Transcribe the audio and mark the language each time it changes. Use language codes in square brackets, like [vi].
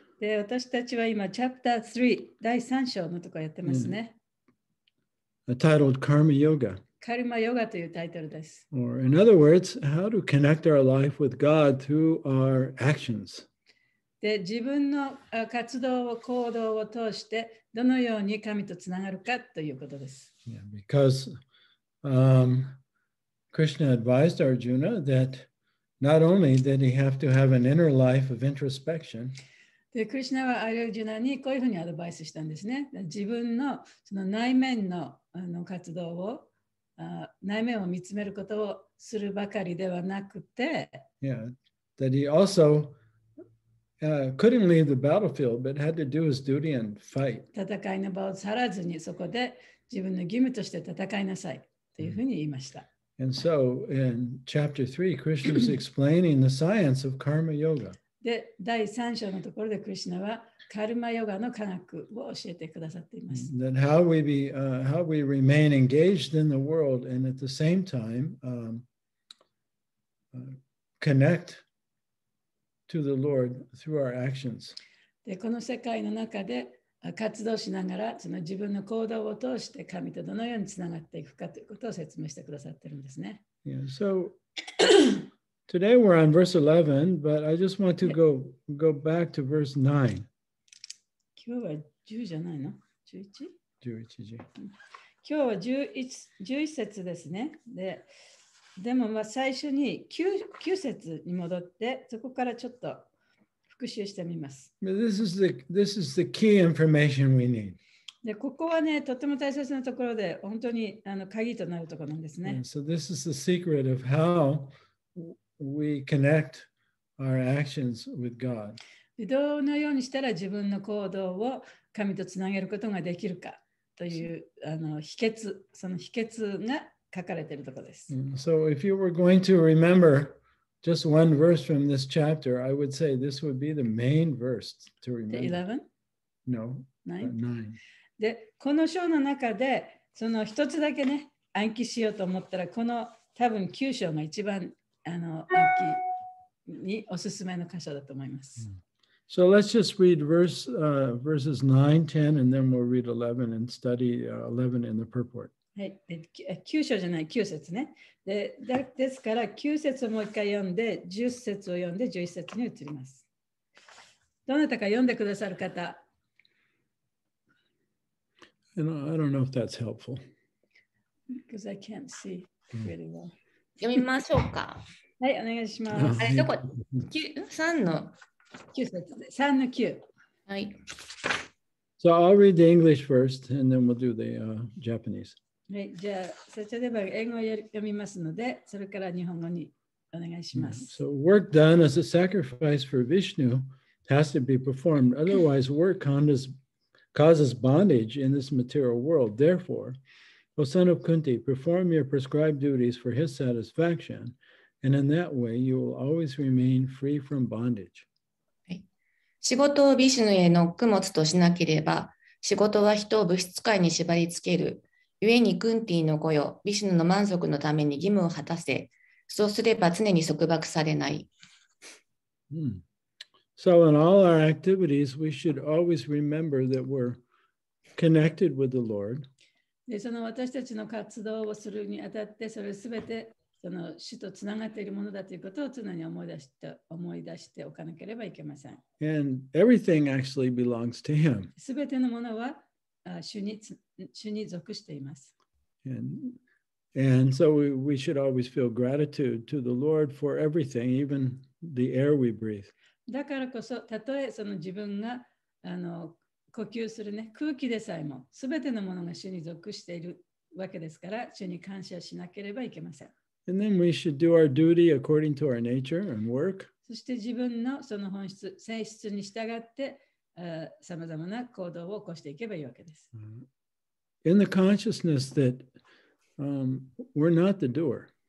[ja] で、私たちは今、チャプター3、第3章のところやってますね。 [en] Titled Karma Yoga. [ja] カルマヨガというタイトルです。 [en] Or in other words, how to connect our life with God through our actions. [ja] で、自分の活動を、行動を通して、どのように神とつながるかということです。 [en] Yeah, because Krishna advised Arjuna that not only did he have to have an inner life of introspection, [ja] で、クリシュナはアルジュナにこういうふうにアドバイスしたんですね。自分のその内面の、あの活動を、内面を見つめることをするばかりではなくて、 [en] Yeah, that he also couldn't leave the battlefield, but had to do his duty and fight. [ja] 戦いの場を去らずにそこで自分の義務として戦いなさいというふうに言いました。 Mm-hmm. [en] And so, in chapter 3, Krishna is explaining the science of karma yoga. [ja] で、第3章のところで、クリシュナはカルマヨガの科学を教えてくださっています。 [en] That how we be, how we remain engaged in the world and at the same time, connect to the Lord through our actions. [ja] で、この世界の中で活動しながらその自分の行動を通して神とどのようにつながっていくかということを説明してくださってるんですね。 [en] Yeah, so today we're on verse 11, but I just want to go back to verse 9. [ja] 今日は10じゃないの ?11?11 今日は 11節ですね。でもまあ最初に 9節に戻ってそこからちょっと復習してみます。 [en] This is the key information we need. [ja] で、ここはね、とても大切なところで、本当にあの鍵となるところなんですね。 [en] So this is the secret of how we connect our actions with God. [ja] で、どのようにしたら自分の行動を神とつなげることができるかというあの秘訣、その秘訣が書かれているところです。 [en] So if you were going to rememberJust one verse from this chapter, I would say this would be the main verse to remember. The 11? No. 9? [ja] で、この章の中で、その一つだけね、暗記しようと思ったら、この多分9章が一番あの暗記におすすめの箇所だと思います。 [en] So let's just read verses 9, 10, and then we'll read 11 and study 11 in the purport. [ja] はい、9章じゃない9節ね。ですから9節をもう一回読んで10節を読んで11節に移ります。どなたか読んでくださる方。 [en] I don't know if that's helpful because I can't see really well. [ja] 読みましょうか。はい、お願いします。あれどこ3の9。はい、 [en] So I'll read the English first and then we'll do the Japanese. [ja] はい、じゃあ、そちらでは英語を読みますので、それから日本語にお願いします。 [en] So work done as a sacrifice for Vishnu has to be performed. Otherwise, work causes bondage in this material world. Therefore, O son of Kunti, perform your prescribed duties for his satisfaction, and in that way you will always remain free from bondage. [ja] 仕事をヴィシュヌへの供物としなければ、仕事は人を物質界に縛りつける。故にクンティの御用、ヴィシュヌの満足のために義務を果たせ、そうすれば常に束縛されない。 [en] So in all our activities, we should always remember that we're connected with the Lord. [ja] で、その私たちの活動をするにあたって、それすべてその主とつながっているものだということを常に思い出しておかなければいけません。 [en] And everything actually belongs to Him. [ja] すべてのものは主に属しています。 [en] And so we should always feel gratitude to the Lord for everything, even the air we breathe. [ja] だからこそ、たとえその自分があの呼吸するね、空気でさえも、すべてのものが主に属しているわけですから、主に感謝しなければいけません。 [en] And then we should do our duty according to our nature and work. [ja] そして自分のその本質、性質に従って、さまざまな行動を起こしていけばいいわけです。 [en] In the consciousness that we're not the doer.